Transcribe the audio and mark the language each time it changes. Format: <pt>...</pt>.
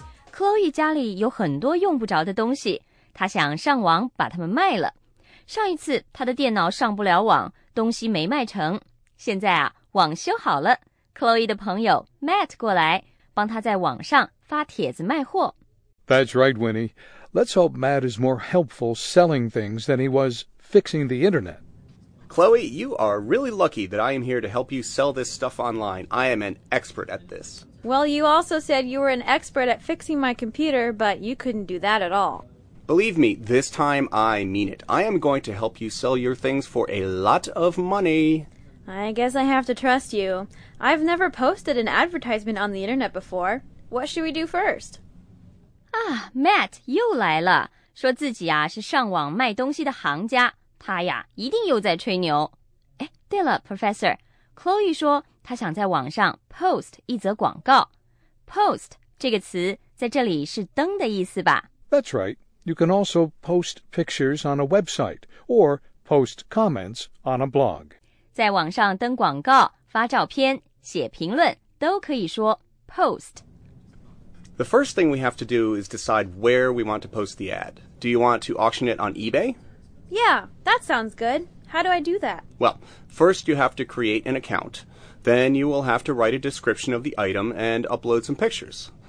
<zh>克洛伊家里有很多用不着的东西，她想上网把它们卖了。上一次她的电脑上不了网，东西没卖成，现在啊网修好了，克洛伊的朋友 Matt 过来帮她在网上发帖子卖货。</zh> <en>That's right, Winnie. Let's hope Matt is more helpful selling things than he was fixing the internet. Chloe, you are really lucky that I am here to help you sell this stuff online. I am an expert at this. Well, you also said you were an expert at fixing my computer, but you couldn't do that at all. Believe me, this time I mean it. I am going to help you sell your things for a lot of money. I guess I have to trust you. I've never posted an advertisement on the internet before. What should we do first?</en> <zh>啊 ，Matt 又来了，说自己啊是上网卖东西的行家，他呀一定又在吹牛。哎，对了 ，Professor，Chloe 说他想在网上 post 一则广告。 Post 这个词在这里是登的意思吧</zh> <en>？That's right. You can also post pictures on a website or post comments on a blog.</en> <zh>在网上登广告、发照片、写评论都可以说 post。</zh> <en>The first thing we have to do is decide where we want to post the ad. Do you want to auction it on eBay? Yeah, that sounds good. How do I do that? Well, first you have to create an account. Then you will have to write a description of the item and upload some pictures.</en>